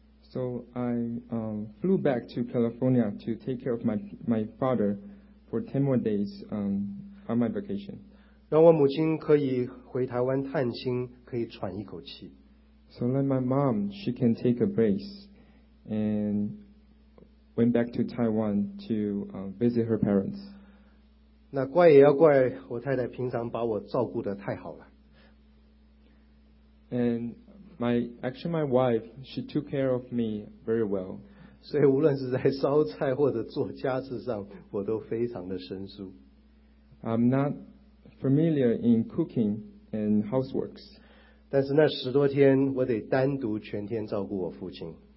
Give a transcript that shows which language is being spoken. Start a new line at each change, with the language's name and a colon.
English: So I flew back to California to take care of my father for 10 more days on my vacation.
Chinese: 让我母亲可以回台湾探亲，可以喘一口气。
English: So let my mom, she can take a break and went back to Taiwan to visit her parents.
Chinese: 那怪也要怪我太太平常把我照顾得太好了。
English: And my wife, she took care of me very well.
Chinese: 所以无论是在烧菜或者做家事上，我都非常的生疏。
English: I'm not familiar in cooking and houseworks.
Chinese: 但是那十多天，我得单独全天照顾我父亲。